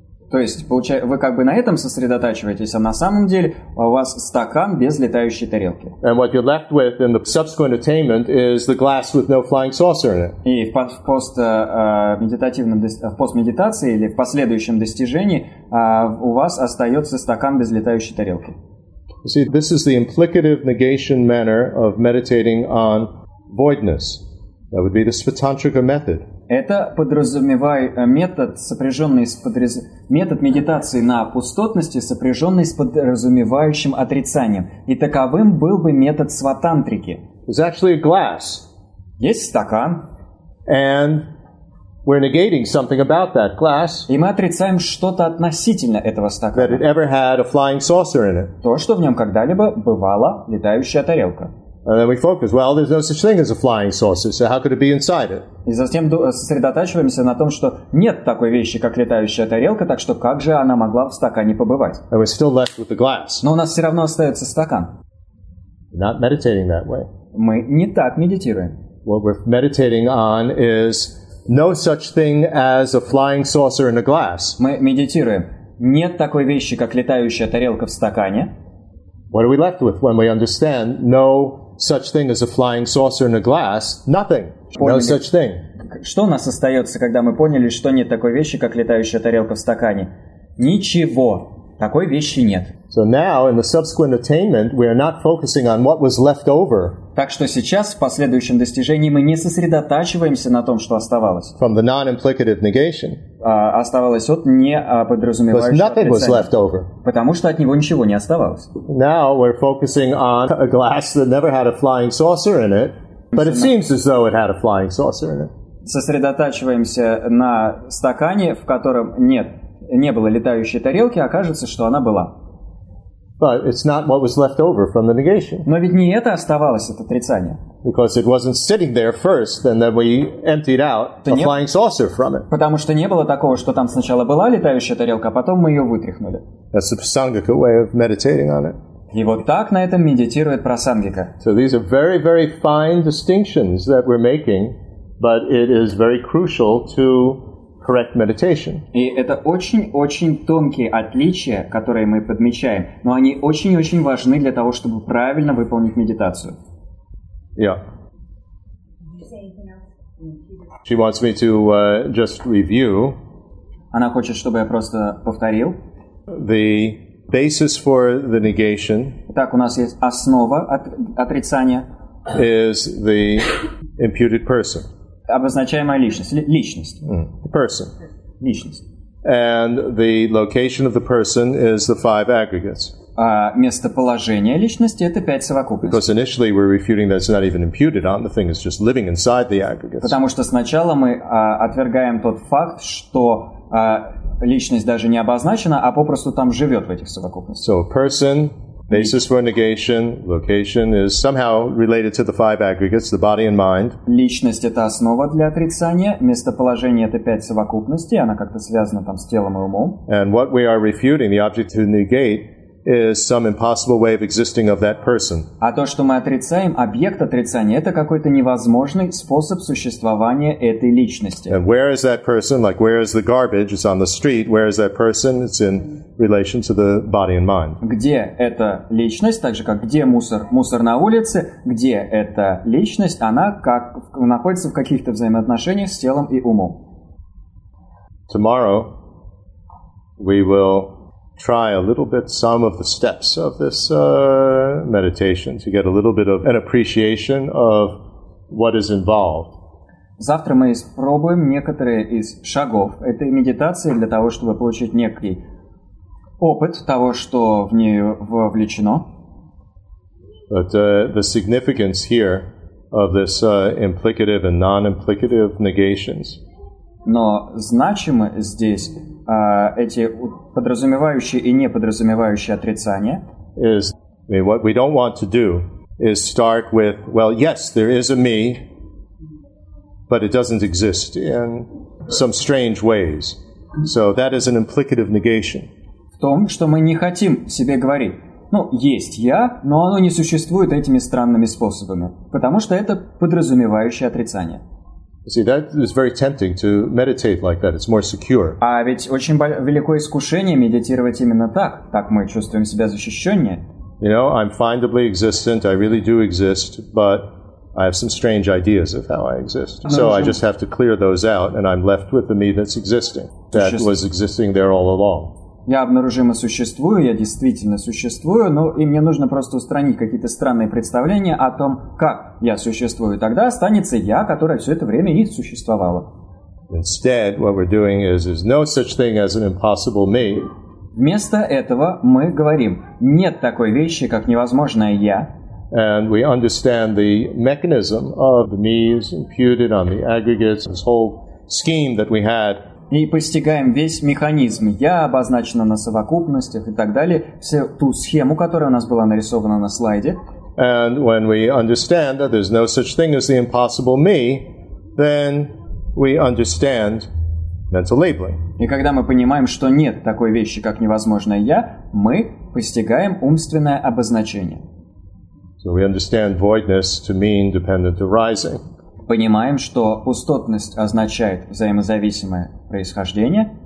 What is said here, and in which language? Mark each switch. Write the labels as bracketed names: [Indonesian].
[Russian] То есть получается, вы как бы на этом сосредотачиваетесь, а на самом деле у вас стакан без летающей тарелки. [English] And what you're left with in the subsequent attainment is the glass with no flying saucer in it. [Russian] И в постмедитации или в последующем достижении у вас остается стакан без летающей тарелки. [English] You see, this is the implicative negation manner of meditating on voidness. That would be the Svatantrika method. [Russian] Это подразумевает метод, сопряженный с метод медитации на пустотности, сопряженный с подразумевающим отрицанием. И таковым был бы метод сватантрики. [English] There's actually a glass. [Russian] Есть стакан. [English] And we're negating something about that glass. [Russian] И мы отрицаем что-то относительно этого стакана. [English] That it ever had a flying saucer in it. [Russian] То, что в нем когда-либо бывала летающая тарелка. [English] And then we focus. Well, there's no such thing as a flying saucer, so how could it be inside it? [Russian] И затем сосредотачиваемся на том, что нет такой вещи, как летающая тарелка, так что как же она могла в стакане побывать? [English] And we're still left with the glass. [Russian] Но у нас все равно остается стакан. [English] We're not meditating that way. [Russian] Мы не так медитируем. [English] What we're meditating on is no such thing as a flying saucer in a glass. [Russian] Мы медитируем. Нет такой вещи, как летающая тарелка в стакане. [English] What are we left with when we understand no such thing as a flying saucer in a glass? Nothing. No such thing. [Russian] Что у нас остается, когда мы поняли, что нет такой вещи, как летающая тарелка в стакане? Ничего. Такой вещи нет. [English] So now, in the subsequent attainment, we are not focusing on what was left over. [Russian] Так что сейчас, в последующем достижении, мы не сосредотачиваемся на том, что оставалось. [English] From the non-implicative negation. [Russian] Оставалось от неподразумевающего отрицания. [English] Nothing was left over. [Russian] Потому что от него ничего не оставалось. [English] Now we're focusing on a glass that never had a flying saucer in it, but it seems as though it had a flying saucer in it. [Russian] Сосредотачиваемся на стакане, в котором не было летающей тарелки, а кажется, что она была. [English] But it's not what was left over from the negation. [Russian] Но ведь не это оставалось от отрицания. [English] Because it wasn't sitting there first, and then we emptied out a flying saucer from it. [Russian] Потому что не было такого, что там сначала была летающая тарелка, а потом мы ее вытряхнули. [English] That's a prasangika way of meditating on it. [Russian] И вот так на этом медитирует прасангика. [English] So these are very, very fine distinctions that we're making, but it is very crucial to correct meditation. [Russian] И это очень-очень тонкие отличия, которые мы подмечаем, но они очень-очень важны для того, чтобы правильно выполнить медитацию. [English] Yeah. She wants me to just review. [Russian] Она хочет, чтобы я просто повторил. [English] The basis for the negation. [Russian] Так, у нас есть основа отрицания. Is the imputed person. Обозначаемая личность. Личность. [English] The person. [Russian] Личность. [English] And the location of the person is the five aggregates. [Russian] Местоположение личности — это пять совокупностей. [English] Because initially we're refuting that it's not even imputed on, the thing is just living inside the aggregates. [Russian] Потому что сначала мы отвергаем тот факт, что личность даже не обозначена, а попросту там живет в этих совокупностях. [English] So a person, basis for negation, location is somehow related to the five aggregates, the body and mind. [Russian] Личность — это основа для отрицания, местоположение — это пять совокупностей, она как-то связана там с телом и умом. [English] And what we are refuting, the object to negate, is some impossible way of existing of that person. [Russian] А то, что мы отрицаем, объект отрицания — это какой-то невозможный способ существования этой личности. [English] And where is that person? Like, where is the garbage? It's on the street. Where is that person? It's in relation to the body and mind. [Russian] Где эта личность? Так же, как где мусор? Мусор на улице. Где эта личность? Она как находится в каких-то взаимоотношениях с телом и умом. [English] Tomorrow we will try a little bit some of the steps of this meditation to get a little bit of an appreciation of what is involved. [Russian] Завтра мы испробуем некоторые из шагов этой медитации для того, чтобы получить некий опыт того, что в нее вовлечено. [English] But the significance here of this implicative and non-implicative negations. [Russian] Но значимо здесь эти подразумевающие и не подразумевающие отрицания. [English] Is, I mean, what we don't want to do is start with, well, yes, there is a me, but it doesn't exist in some strange ways. So that is an implicative negation. [Russian] В том, что мы не хотим себе говорить, ну, есть я, но оно не существует этими странными способами, потому что это подразумевающее отрицание. [English] See, that is very tempting to meditate like that. It's more secure. [Russian] А ведь очень великое искушение медитировать именно так. Так мы чувствуем себя защищеннее. [English] You know, I'm findably existent. I really do exist, but I have some strange ideas of how I exist. So I just have to clear those out, and I'm left with the me that's existing, that was existing there all along. [Russian] Я обнаружимо существую, я действительно существую, но и мне нужно просто устранить какие-то странные представления о том, как я существую. Тогда останется я, которая все это время и существовала. [English] Instead, what we're doing is there's no such thing as an impossible me. [Russian] Вместо этого мы говорим: нет такой вещи, как невозможное я. [English] And we understand the mechanism of the me is imputed on the aggregates, this whole scheme that we had. [Russian] И постигаем весь механизм «я», обозначено на совокупностях и так далее, всю ту схему, которая у нас была нарисована на слайде. [English] And when we understand that there's no such thing as the impossible me, then we understand mental labeling. [Russian] И когда мы понимаем, что нет такой вещи, как невозможное «я», мы постигаем умственное обозначение. [English] So we understand voidness to mean dependent arising. [Russian] Понимаем, что пустотность означает взаимозависимое происхождение.